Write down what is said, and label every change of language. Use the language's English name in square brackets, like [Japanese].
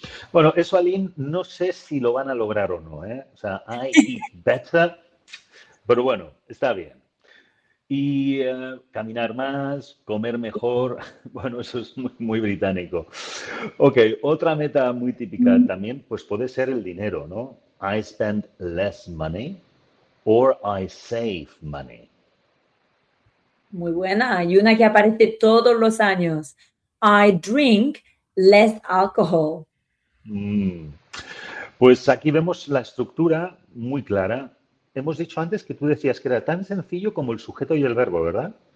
[Spanish] Bueno, eso, Aline, no sé si lo van a lograr o no, ¿eh? O sea, [English] I eat better, [Spanish] pero bueno, está bien. Y caminar más, comer mejor, bueno, eso es muy, muy británico. Ok, otra meta muy típica también, pues puede ser el dinero, ¿no? [English] I spend less money or I save money. [Spanish] Muy buena, y una que aparece todos los años. [English] I drink less alcohol. [Spanish] Pues aquí vemos la estructura muy clara. Hemos dicho antes que tú decías que era tan sencillo como el sujeto y el verbo, ¿verdad?